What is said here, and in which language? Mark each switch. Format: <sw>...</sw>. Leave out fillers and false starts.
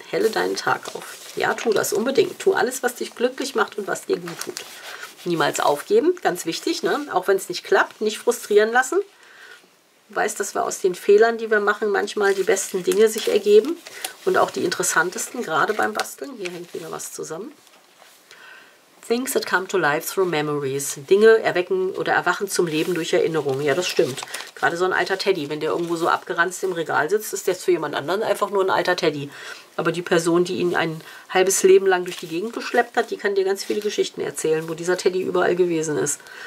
<de>Helle deinen Tag auf. Ja, tu das unbedingt. Tu alles, was dich glücklich macht und was dir gut tut. Niemals aufgeben, ganz wichtig, ne? Auch wenn es nicht klappt, nicht frustrieren lassen. Weiß, dass wir aus den Fehlern, die wir machen, manchmal die besten Dinge sich ergeben und auch die interessantesten, gerade beim Basteln. Hier hängt wieder was zusammen.</de> <en>Things that come to life through memories.</en> <de>Dinge erwecken oder erwachen zum Leben durch Erinnerungen. Ja, das stimmt. Gerade so ein alter Teddy, wenn der irgendwo so abgeranzt im Regal sitzt, ist der für jemand anderen einfach nur ein alter Teddy. Aber die Person, die ihn ein halbes Leben lang durch die Gegend geschleppt hat, die kann dir ganz viele Geschichten erzählen, wo dieser Teddy überall gewesen ist.</de>